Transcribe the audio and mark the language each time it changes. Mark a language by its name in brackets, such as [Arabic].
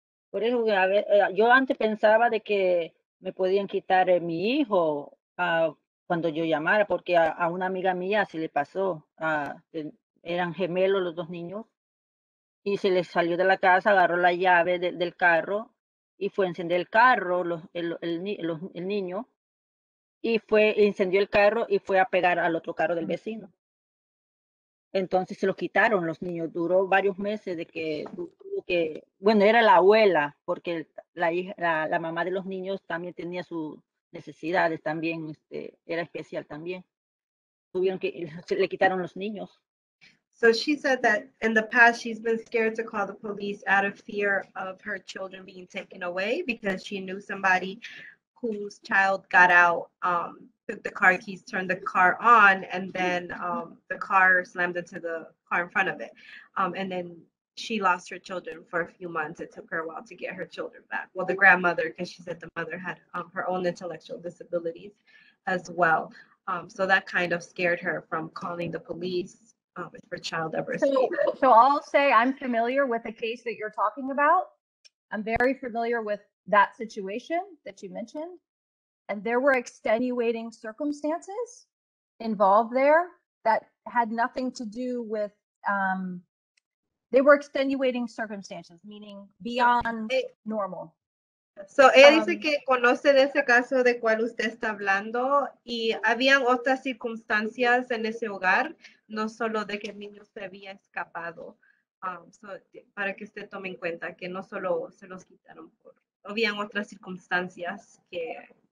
[Spanish] Por eso, a ver, yo antes pensaba de que me podían quitar a mi hijo cuando yo llamara, porque a una amiga mía se le pasó, eran gemelos los dos niños, y se les salió de la casa, agarró la llave del carro y fue a encender el carro, el niño, y fue, incendió el carro y fue a pegar al otro carro del vecino. Entonces se los quitaron los niños, duró varios meses de que tuvo que, bueno, era la abuela, porque la hija, la mamá de los niños también tenía sus necesidades, también era especial también. Tuvieron que, le quitaron los niños. [English] So she said that in the past she's been scared to call the police out of fear of her children being taken away because she knew somebody whose child got out, took the car keys, turned the car on, and then the car slammed into the car in front of it. And then she lost her children for a few months. It took her a while to get her children back. Well, the grandmother, because she said the mother had her own intellectual disabilities as well. So that kind of scared her from calling the police if her child ever escaped. So I'll say I'm familiar with the case that you're talking about. I'm very familiar with that situation that you mentioned. And there were extenuating circumstances involved there that had nothing to do with, they were extenuating circumstances, meaning beyond normal. [Spanish] So, él dice que conoce de ese caso de cual usted está hablando y habían otras circunstancias en ese hogar, no solo de que el niño se había escapado. So, para que usted tome en cuenta que no solo se los quitaron por, habían otras circunstancias que.